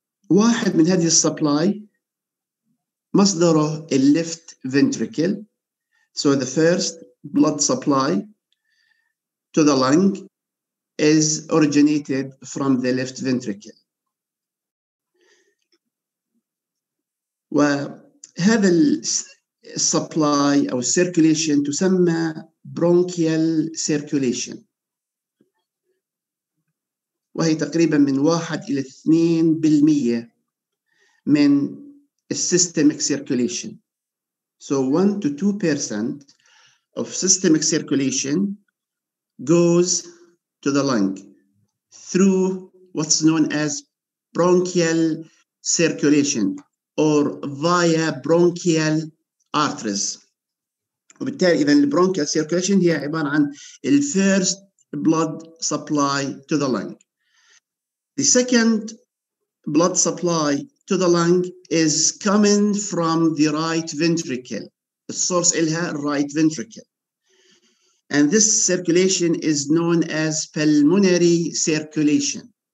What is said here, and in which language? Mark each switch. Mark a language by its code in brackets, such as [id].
[ar] واحد من هذه supply مصدره [en] the left ventricle. So the first blood supply to the lung is originated from the left ventricle. [ar] وهذا الـ supply أو circulation تسمى bronchial circulation، وهي تقريبا من 1 إلى 2% من systemic circulation. [en] So 1 to 2% of systemic circulation goes to the lung through what's known as bronchial circulation or via bronchial arteries. [ar] وبالتالي إذن البرونكيال سيركوليشن هي عبارة عن الـ [en] first blood supply to the lung. The second blood supply to the lung is coming from the right ventricle. The source [ar] إلها [en] right ventricle. And this circulation is known as pulmonary circulation.